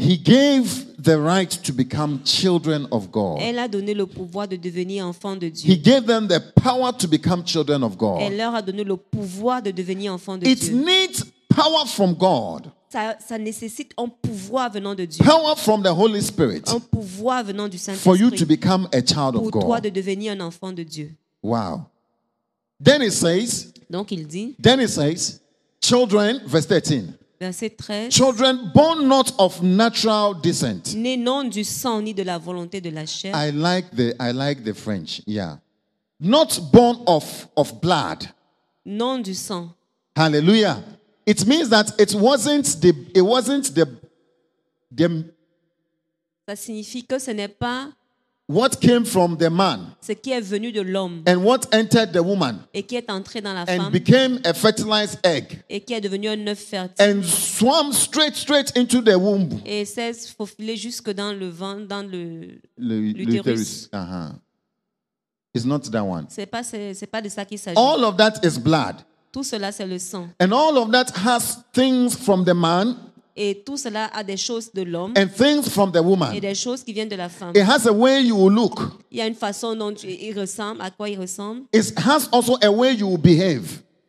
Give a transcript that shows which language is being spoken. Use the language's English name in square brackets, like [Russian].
[English] he gave the right to become children of God. [French] Elle a donné le pouvoir de devenir enfant de Dieu. [English] He gave them the power to become children of God. [French] Elle leur a donné le pouvoir de devenir enfant de Dieu. [English] It needs power from God. [French] Ça nécessite un pouvoir venant de Dieu. [English] Power from the Holy Spirit. [French] Un pouvoir venant du Saint-Esprit. [English] For you to become a child of God. [French] Pour toi de devenir un enfant de Dieu. [English] Wow. Then it says, [French] donc il dit, [English] then it says, children, verse 13. [French] Verset 13. [English] Children born not of natural descent. [French] Nés non du sang ni de la volonté de la chair. [English] I like the French. Yeah. Not born of blood. [French] Non du sang. [English] Hallelujah. It means that it wasn't the [French] ça signifie que ce n'est pas [English] what came from the man, [French] ce qui est venu de l'homme, [English] and what entered the woman, [French] et qui est entré dans la [English] and [French] femme, [English] became a fertilized egg, [French] et qui est devenu un œuf fertile, [English] and swam straight into the womb, [French] et s'est faufilé jusque dans le ventre, dans l'utérus. [English] Uh-huh. It's not that one. [French] C'est pas de ça qu'il s'agit. [English] All of that is blood. [French] Tout cela, c'est le sang. [English] And all of that has things from the man. [French] Et tout cela a des choses de l'homme. [English] And things from the woman. [French] Et des choses qui viennent de la femme. [English] It has a way you will look. [French] Il y a une façon dont il ressemble, à quoi il ressemble. [English] It has also a way you will behave.